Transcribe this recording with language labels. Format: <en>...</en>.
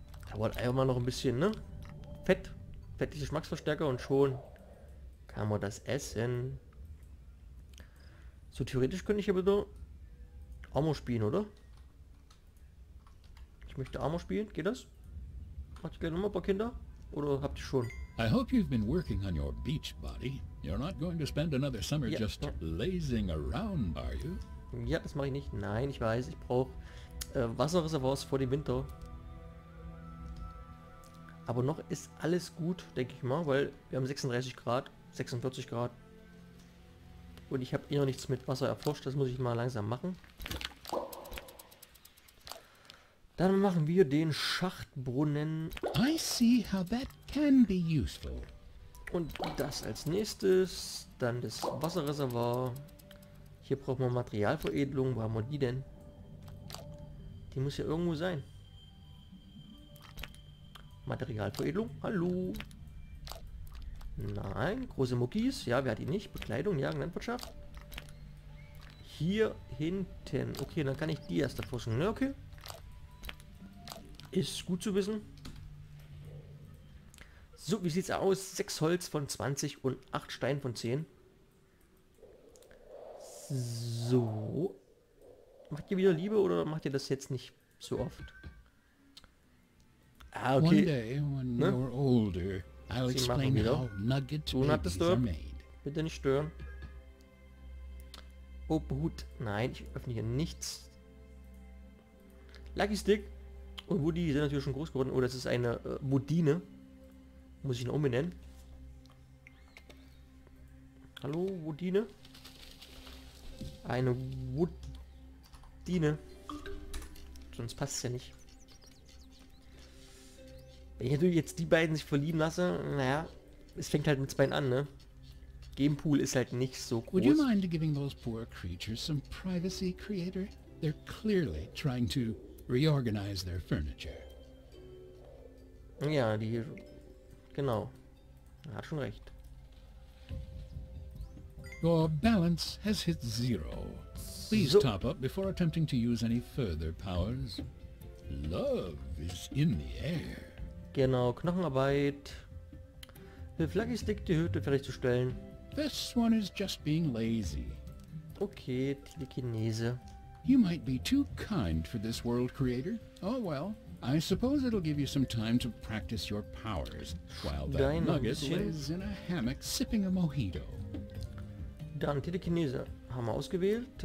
<de>Da wollte einfach mal noch ein bisschen, ne? Fett. Fettliche Geschmacksverstärker und schon kann man das essen. So, theoretisch könnte ich aber nur Armor spielen, oder? Ich möchte Armor spielen. Geht das? Macht ihr gleich nochmal ein paar Kinder? Oder habt ihr schon?</de> <en>I hope you've been working on your beach body. You're not going to spend another summer just lazing around, are you?</en> <de>Ja, das mache ich nicht. Nein, ich weiß, ich brauche Wasserreservoirs vor dem Winter. Aber noch ist alles gut, denke ich mal, weil wir haben 36 Grad, 46 Grad. Und ich habe eh noch nichts mit Wasser erforscht, das muss ich mal langsam machen. Dann machen wir den Schachtbrunnen.</de> <en>I see how that can be useful.</en> <de>Und das als nächstes, dann das Wasserreservoir. Hier brauchen wir Materialveredelung, wo haben wir die denn? Die muss ja irgendwo sein. Materialveredelung, hallo. Nein, große Muckis, ja, wer hat die nicht? Bekleidung, ja, Landwirtschaft. Hier hinten, okay, dann kann ich die erst erforschen, ne, okay. Ist gut zu wissen. So, wie sieht's aus? 6 Holz von 20 und 8 Stein von 10. So. Macht ihr wieder Liebe oder macht ihr das jetzt nicht so oft? Ah, okay.</de> <en>One day, when you're older, I'll explain how nuggets are made.</en> <de>Bitte nicht stören. Oh, Behut. Nein, ich öffne hier nichts. Lucky Stick. Und Woody sind natürlich schon groß geworden. Oh, das ist eine Budine. Muss ich ihn umbenennen. Hallo, Budine. Eine Budine. Sonst passt es ja nicht. Wenn ich natürlich jetzt die beiden sich verlieben lasse, naja, es fängt halt mit zwei an, ne? Gamepool ist halt nicht so groß.</de> <en>Would you mind giving those poor creatures some privacy, Creator? They're clearly trying to reorganize their furniture.</en> <de>Ja, die... Genau. Er hat schon recht.</de> <en>Your balance has hit zero. Please top up before attempting to use any further powers. Love is in the air.</en> <de>Genau, Knochenarbeit. Hilf Lucky Stick, die Hütte fertigzustellen.</de> <en>This one is just being lazy.</en> <de>Okay, Telekinese.</de> <en>You might be too kind for this world, Creator. Oh well, I suppose it'll give you some time to practice your powers, while that</en> <de>Deine</de> <en>nugget</en> <de>bisschen.</de> <en>Lives in a hammock sipping a mojito.</en> <de>Dann Telekinese haben wir ausgewählt.</de>